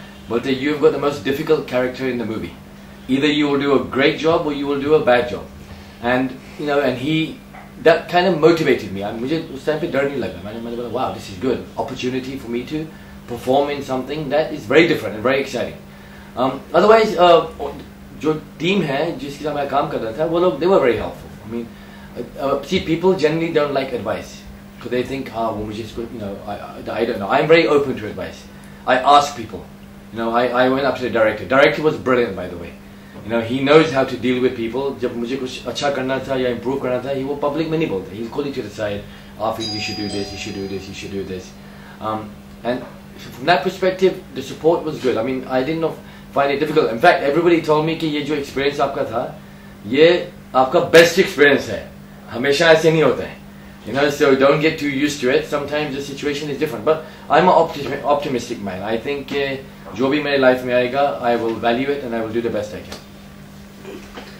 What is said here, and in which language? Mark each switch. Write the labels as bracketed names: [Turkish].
[English] बोलते you have got the most difficult character in the movie, either you will do a great job और you will do a bad job, and you know, and he that kind of motivated me, [Hindi] मुझे उस time पे डर नहीं लगा, मैंने बोला [English] Wow this is good opportunity for me to perform in something that is very different and very exciting. [Hindi] Otherwise जो team है जिसके साथ मैं काम कर रहा था, वो लोग [English] They were very helpful. I mean see, people generally don't like advice because they think, ah, we just, you know, I don't know. I'm very open to advice. I ask people. You know, I went up to the director. Director was brilliant, by the way. You know, he knows how to deal with people. [Hindi] जब मुझे कुछ अच्छा करना था या improve करना था, [English] he [Hindi] वो public में नहीं बोलता. [English] He'll call you to the side. Often, you should do this. You should do this. You should do this. And from that perspective, the support was good. I mean, I didn't find it difficult. In fact, everybody told me [Hindi] कि ये जो experience आपका था, ये आपका best experience है. हमेशा ऐसे नहीं होता है, [English] you know, so don't get to used to it, sometimes the situation is different, but I am a optimistic man, I think [Hindi] के जो भी मेरे लाइफ में आएगा [English] I will value it and I will do the best I can.